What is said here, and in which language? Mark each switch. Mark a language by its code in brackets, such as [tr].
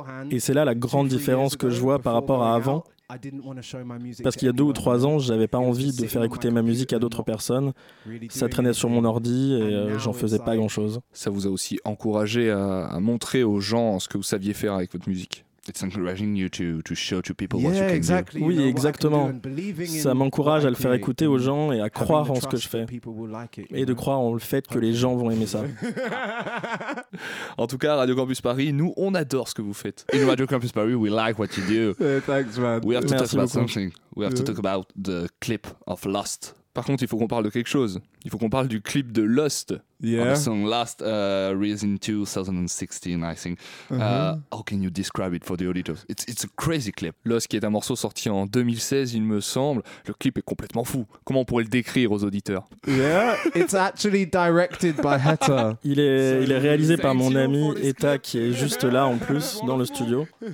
[fr] Et c'est là la grande différence que je vois par rapport à avant. Parce qu'il y a 2 ou 3 ans, je n'avais pas envie de faire écouter ma musique à d'autres personnes. Ça traînait sur mon ordi et j'en faisais pas grand-chose. Ça vous a aussi encouragé à montrer aux gens ce que vous saviez faire avec votre musique. [en] It's encouraging you to show to people what you can do. [fr] Oui, exactement. Ça m'encourage à le faire écouter aux gens et à croire en ce que je fais. Et de croire en le fait que les gens vont aimer ça. En tout cas, Radio Campus Paris, nous, on adore ce que vous faites. [en] In Radio Campus Paris, we like what you do. Thanks, man. We have to talk about something. We have to talk about the clip of Lost [fr] Par contre, il faut qu'on parle de quelque chose. Il faut qu'on parle du clip de Lost. [en] Yeah. On the song Last Reason 2016, I think. How can you describe it for the auditors? It's a crazy clip. [fr] Lost, qui est un morceau sorti en 2016, il me semble. Le clip est complètement fou. Comment on pourrait le décrire aux auditeurs? [en] Yeah, it's actually directed by Heta. [fr] Il est réalisé par mon ami Heta, qui est juste là en plus, dans le studio.